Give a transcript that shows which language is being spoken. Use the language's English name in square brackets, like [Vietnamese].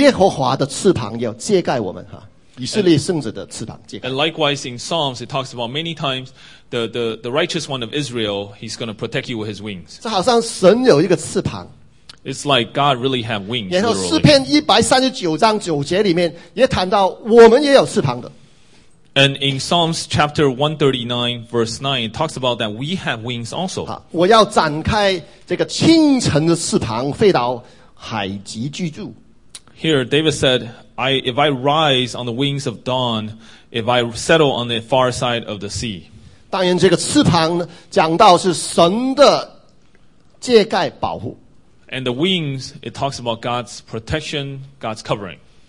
[Chinese] 在诗篇里面有很多处谈到耶和华的翅膀要遮盖我们, [English] And likewise in Psalms, it talks about many times the righteous one of Israel, he's going to protect you with his wings. It's like God really have wings. [Chinese] 然后诗篇139章9节里面也谈到我们也有翅膀的。 [English] And in Psalms chapter 139 verse 9, it talks about that we have wings also. [Chinese] 我要展开这个清晨的翅膀飞到海极居住。 [English] Here, David said, if I rise on the wings of dawn, if I settle on the far side of the sea. [Chinese] 当然这个翅膀讲到是神的遮盖保护。 [English] And the wings, it talks about God's protection, God's covering.